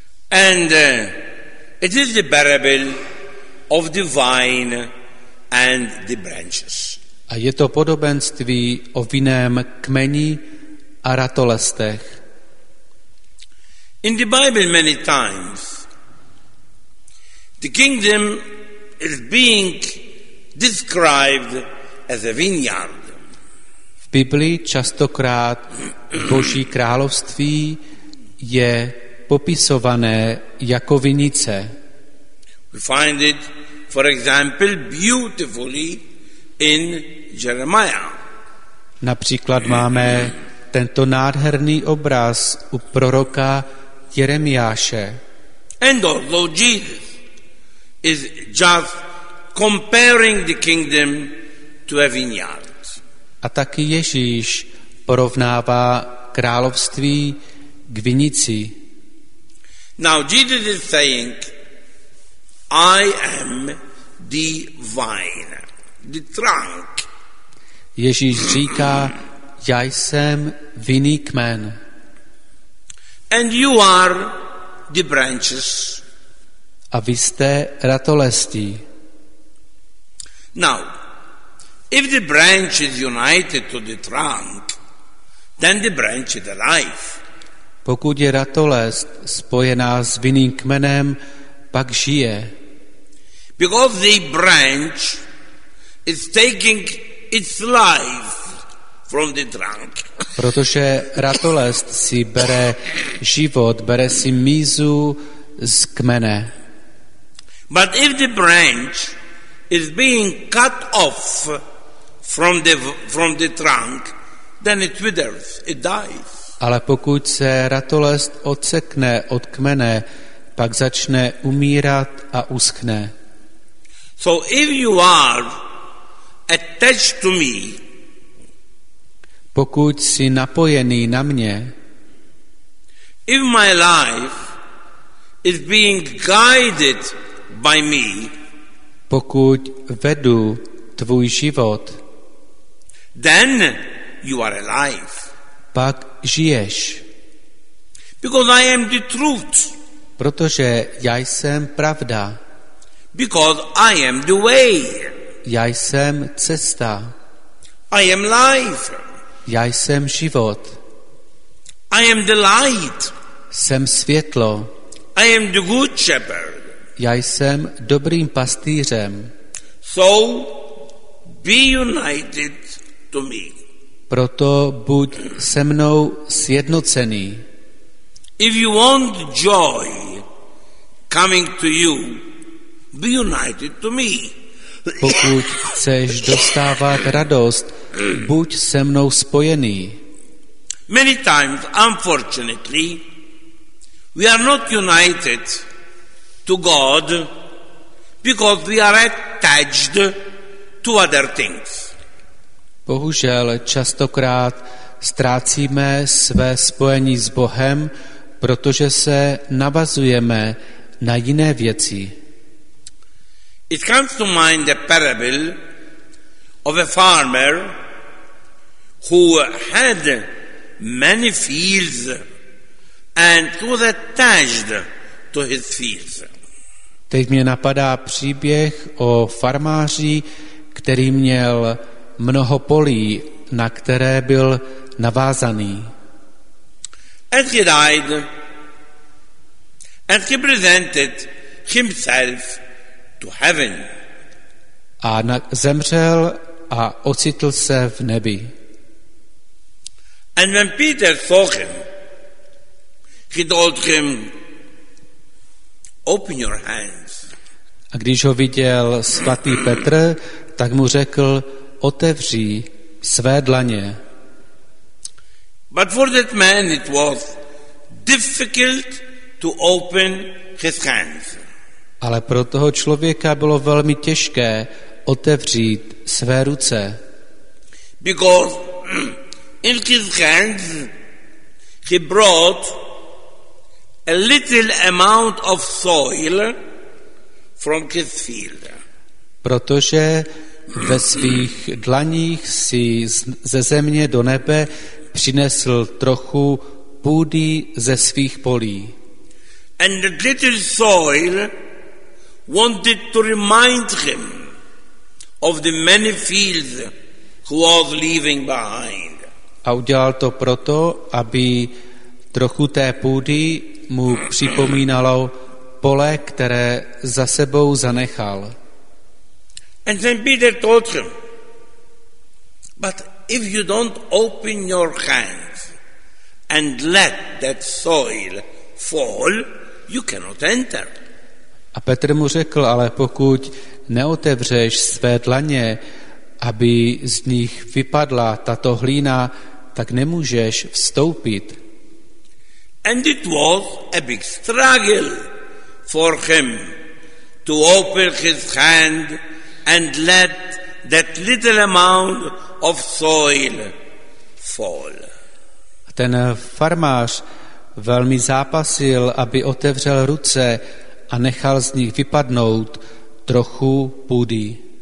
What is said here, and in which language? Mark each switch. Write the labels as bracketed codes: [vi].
[en] And it is the parable of the vine and the branches. [cs] A je to podobenství o vinném kmeni a ratolestech. [en] In the Bible many times the kingdom is being described as a vineyard. [cs] V Biblii častokrát Boží království je popisované jako vinice. [en] We find it, for example, beautifully in Jeremiah. [cs] Například máme tento nádherný obraz u proroka Jeremiáše. [en] And also Jesus is just comparing the kingdom to a vineyard. [cs] A taky Ježíš porovnává království k vinici. [en] Now Jesus is saying, I am the vine, the trunk. [cs] Ježíš říká, já jsem vinný kmen. [en] And you are the branches. [cs] A vy jste ratolestí. [en] Now, if the branch is united to the trunk, then the branch is alive. [cs] Pokud je ratolest spojená s vinným kmenem, pak žije. [en] Because the branch is taking its life from the trunk. [cs] Protože ratolest si bere život, bere si mízu z kmene. [en] But if the branch is being cut off from the trunk, then it withers, it dies. [cs] Ale pokud se ratolest odsekne od kmene, pak začne umírat a uschne. [en] So if you are attached to me, [cs] pokud jsi napojený na mě, [en] if my life is being guided by me, [cs] pokud vedu tvůj život, [en] then you are alive. [cs] Pak žiješ. [en] Because I am the truth. [cs] Protože já jsem pravda. [en] Because I am the way. [cs] Já jsem cesta. [en] I am life. [cs] Já jsem život. [en] I am the light. [cs] Jsem světlo. [en] I am the good shepherd. [cs] Já jsem dobrým pastýřem. [en] So be united to me. [cs] Proto buď se mnou sjednocený. [en] If you want joy coming to you, be united to me. [cs] Pokud chceš dostávat radost, buď se mnou spojený. [en] Many times, unfortunately, we are not united to God because we are attached to other things. [cs] Bohužel častokrát ztrácíme své spojení s Bohem, protože se navazujeme na jiné věci. [en] It comes to mind a parable of a farmer who had many fields and was attached to his fields. [cs] Teď mě napadá příběh o farmáři, který měl mnoho polí, na které byl navázaný. [en] As he died, as he presented himself to heaven. [cs] A zemřel a ocitl se v nebi. [en] And when Peter saw him, he told him, open your hands. [cs] A když ho viděl svatý Petr, tak mu řekl, otevří své dlaně. [en] But for that man it was difficult to open his hands. [cs] Ale pro toho člověka bylo velmi těžké otevřít své ruce. [en] Because in his hands he brought a little amount of soil from his field. [cs] Protože ve svých dlaních si ze země do nebe přinesl trochu půdy ze svých polí. [en] And the little soil wanted to remind him of the many fields who was leaving behind. [cs] A udělal to proto, aby trochu té půdy mu připomínalo pole, které za sebou zanechal. [en] And then Peter told him, but if you don't open your hands and let that soil fall, you cannot enter. [cs] A Petr mu řekl, ale pokud neotevřeš své dlaně, aby z nich vypadla tato hlína, tak nemůžeš vstoupit. [en] And it was a big struggle for him to open his hand and let that little amount of soil fall. [cs] Ten farmář velmi zápasil, aby otevřel ruce a nechal z nich vypadnout trochu půdy.